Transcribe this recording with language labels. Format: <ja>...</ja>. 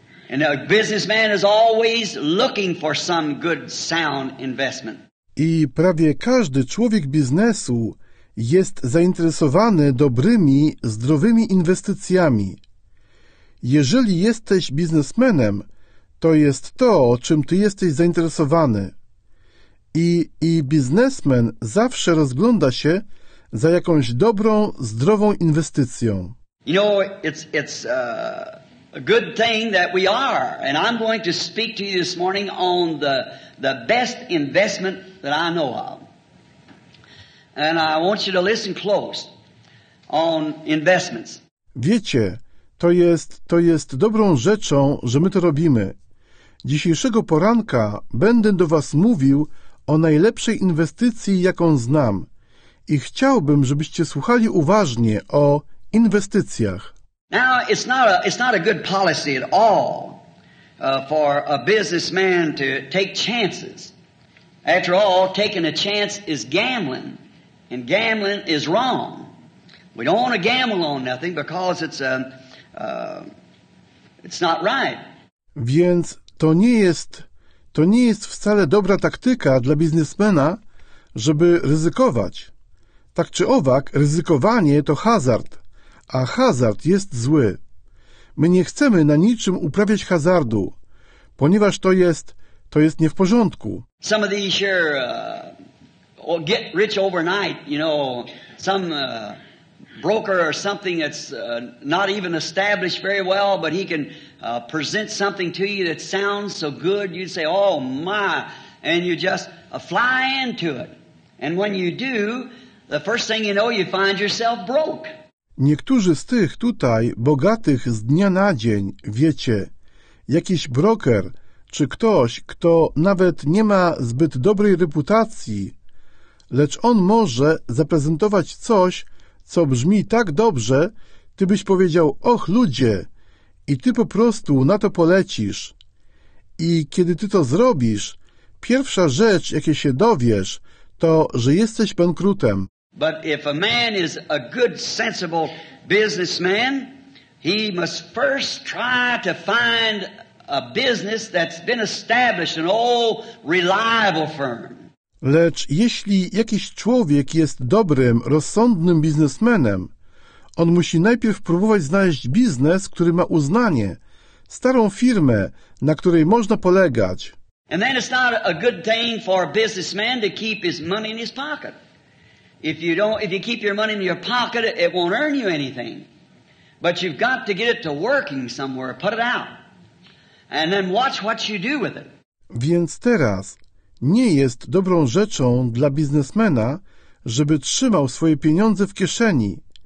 <en>And a businessman is always looking for some good, sound investment.</en> <pl>I prawie każdy człowiek biznesu jest zainteresowany dobrymi, zdrowymi inwestycjami. Jeżeli jesteś biznesmenem, to jest to, czym ty jesteś zainteresowany. I biznesmen zawsze rozgląda się za jakąś dobrą, zdrową inwestycją.</pl> <en>You know, it's a good thing that we are. And I'm going to speak to you this morning on the best investment that I know of. And I want you to listen close on investments.</en> <pl>Wiecie, to jest dobrą rzeczą, że my to robimy. Dzisiejszego poranka będę do was mówił o najlepszej inwestycji, jaką znam. I chciałbym, żebyście słuchali uważnie o inwestycjach.</pl> <en>Now, it's not a good policy at all for a businessman to take chances. After all, taking a chance is gambling. And gambling is wrong. We don't want to gamble on nothing because it's a, it's not right.</en> <pl>Więc to nie jest wcale dobra taktyka dla biznesmena, żeby ryzykować. Tak czy owak, ryzykowanie to hazard, a hazard jest zły. My nie chcemy na niczym uprawiać hazardu, ponieważ to jest nie w porządku.</pl> <en>Some of these here get rich overnight, you know, some broker or something that's not even established very well, but he can present something to you that sounds so good, you'd say, oh my, and you just fly into it. And when you do, the first thing you know, you find yourself broke.</en> <pl>Niektórzy z tych tutaj, bogatych z dnia na dzień, wiecie, jakiś broker, czy ktoś, kto nawet nie ma zbyt dobrej reputacji, lecz on może zaprezentować coś, co brzmi tak dobrze, ty byś powiedział, och ludzie, i ty po prostu na to polecisz. I kiedy ty to zrobisz, pierwsza rzecz, jakiej się dowiesz, to, że jesteś bankrutem.</pl> <en>But if a man is a good, sensible businessman, he must first try to find a business that's been established, an old, reliable firm.</en> <pl>Lecz jeśli jakiś człowiek jest dobrym, rozsądnym biznesmenem, on musi najpierw próbować znaleźć biznes, który ma uznanie, starą firmę, na której można polegać.</pl> <en>And then it's not a good thing for a businessman to keep his money in his pocket. If you keep your money in your pocket, it won't earn you anything. But you've got to get it to working somewhere, put it out. And then watch what you do with it.</en> <pl>Więc teraz nie jest dobrą rzeczą dla biznesmena, żeby trzymał swoje pieniądze w kieszeni.</pl>